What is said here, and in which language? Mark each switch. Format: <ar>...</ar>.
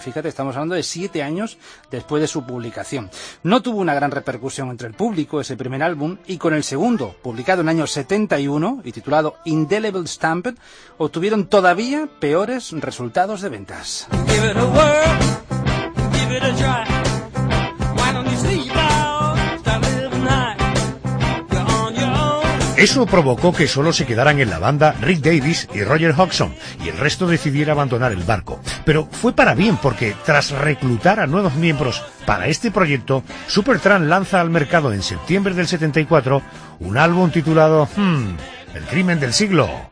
<es>Fíjate, estamos hablando de 7 años después de su publicación. No tuvo una gran repercusión entre el público ese primer álbum, y con el segundo, publicado en año 71 y titulado Indelible Stamped, obtuvieron todavía peores resultados de ventas.</es> <en>Give it a whirl, give it a try. Why don't you sleep out, start living high. You're on your own,</en> <es>Eso provocó que solo se quedaran en la banda Rick Davies y Roger Hodgson, y el resto decidiera abandonar el barco. Pero fue para bien, porque tras reclutar a nuevos miembros para este proyecto, Supertramp lanza al mercado en septiembre del 74 un álbum titulado El crimen del siglo.</es>